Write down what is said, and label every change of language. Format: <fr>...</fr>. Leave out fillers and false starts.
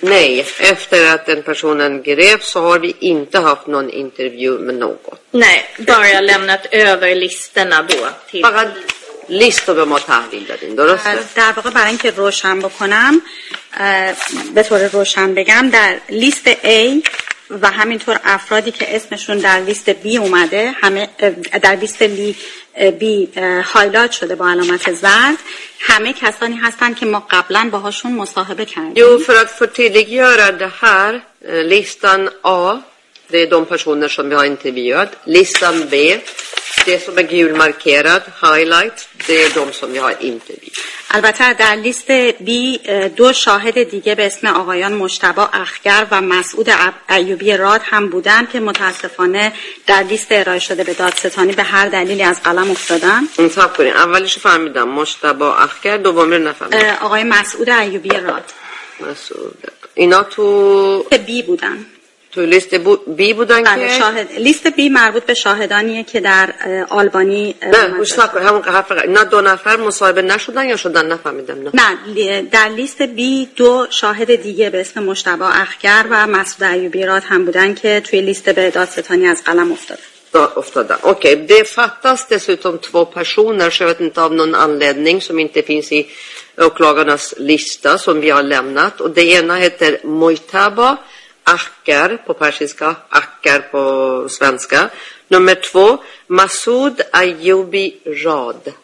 <sv>نه efter att den personen greps så har vi inte haft någon intervju med någon. Nej, bara lämnat över listorna då till.</sv> <fa>فقط لیستو به ما تحویل دادین درسته؟ در واقع برای اینکه روشن بکنم به طور روشن بگم در لیست A و همینطور افرادی که اسمشون در لیست B اومده همه در لیست B هایلایت شده با علامت زرد همه کسانی هستن که ما قبلا باهاشون مصاحبه کردیم.</fa> <sv>Jo, för att förtydliggöra det här listan A Det är de personer som vi har intervjuat. Listan B, det som är gulmarkerad, highlight, det är de som vi har intervjuat.</sv> <fa>البته در لیست بی دو شاهد دیگه به اسم آقایان مجتبی اخگر و مسعود ایوبی راد هم بودن که متاسفانه در لیست ارائه شده به دادستانی به هر دلیلی از قلم افتادن. انتخاب کنین. اولش فهمیدم مجتبی اخگر، دومی رو نفهمیدم. آقای مسعود ایوبی راد. مسعود. اینا تو بی بودن. تو لیست بی بودن که شاهد. لیست بی مربوط به شاهدانیه که در آلبانی. نه همون که حرف نه دو نفر مصاحبه نشدن یا شدن نفهمیدم. نه در لیست بی دو شاهد دیگه به اسم مجتبی اخگر و مسعود ایوبی راد هم بودن که توی لیست به دادستانی از قلم افتادن.</fa> <sv>Okej, okay. Det fattas dessutom två personer, så jag vet inte av någon anledning, som inte finns i åklagarnas lista som vi har lämnat. Och det ena heter Mojtaba Akkar på persiska, Akkar på svenska. Nummer två, Masoud Ayoubi Rad.</sv>